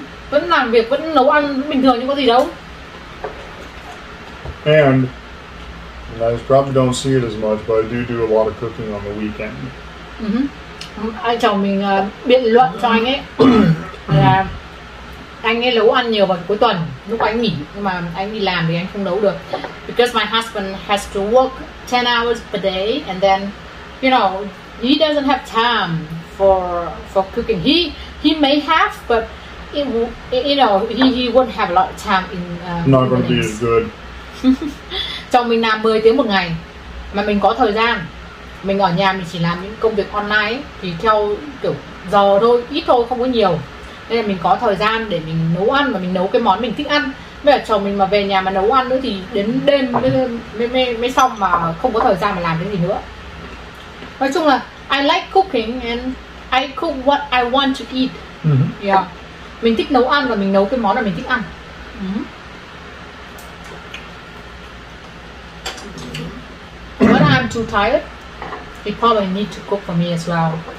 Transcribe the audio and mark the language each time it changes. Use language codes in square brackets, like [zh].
[vi] Vẫn làm việc, vẫn nấu ăn bình thường nhưng có gì đâu. [en] And you guys probably don't see it as much, but I do a lot of cooking on the weekend. [vi] Anh chồng mình biện luận cho anh ấy là anh ấy nấu ăn nhiều vào cuối tuần lúc anh nghỉ, nhưng mà anh đi làm thì anh không nấu được. [en] Because my husband has to work 10 hours per day, and then you know he doesn't have time for cooking. He may have, but he won't have a lot of time in not going to be as good. [vi] Chồng mình làm 10 tiếng một ngày mà mình có thời gian, mình ở nhà mình chỉ làm những công việc online ấy, thì theo kiểu giờ thôi, ít thôi, không có nhiều, nên là mình có thời gian để mình nấu ăn và mình nấu cái món mình thích ăn. Bây giờ chồng mình mà về nhà mà nấu ăn nữa thì đến đêm mới xong mà không có thời gian mà làm cái gì nữa. Nói chung là [en] I like cooking and I cook what I want to eat. [vi] Yeah, mình thích nấu ăn và mình nấu cái món mà mình thích ăn. [en] When I'm too tired, he probably need to cook for me as well.